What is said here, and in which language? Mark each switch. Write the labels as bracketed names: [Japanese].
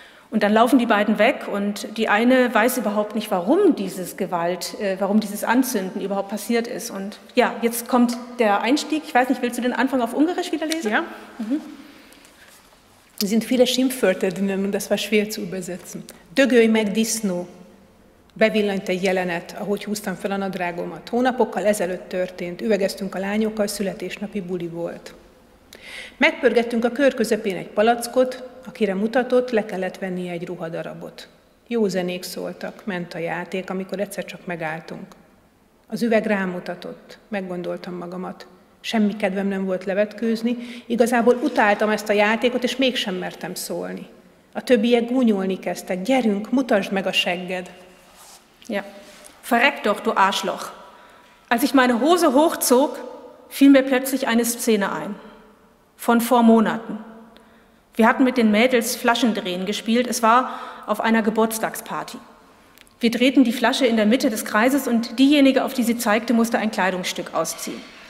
[German] Und dann laufen die beiden weg, und die eine weiß überhaupt nicht, warum dieses Anzünden überhaupt passiert ist. Und ja, jetzt kommt der Einstieg. Ich weiß nicht, willst du den Anfang auf Ungarisch wieder lesen? Ja. Mhm. Es sind viele Schimpfwörter drinnen, und das war schwer zu übersetzen. [Hungarian] Dögöj meg disznó, bevillant egy jelenet, ahogy húztam fel a nadrágomat. Hónapokkal ezelőtt történt, üvegeztünk a lányokkal, születésnapi buli volt. Megpörgettünk a kör közepén egy palackot, akire mutatott, le kellett vennie egy ruhadarabot. Jó zenék szóltak, ment a játék, amikor egyszer csak megálltunk. Az üveg rámutatott, meggondoltam magamat. Semmi kedvem nem volt levetkőzni, igazából utáltam ezt a játékot, és mégsem mertem szólni. A többiek gúnyolni kezdtek, gyerünk, mutasd meg a segged. [German] Ja, verreck doch, du Arschloch. Als ich meine Hose hochzog, fiel mir plötzlich eine Szene ein. Von vor Monaten. Wir hatten mit den Mädels Flaschendrehen gespielt, es war auf einer Geburtstagsparty. Wir drehten die Flasche in der Mitte des Kreises, und diejenige, auf die sie zeigte, musste ein Kleidungsstück ausziehen.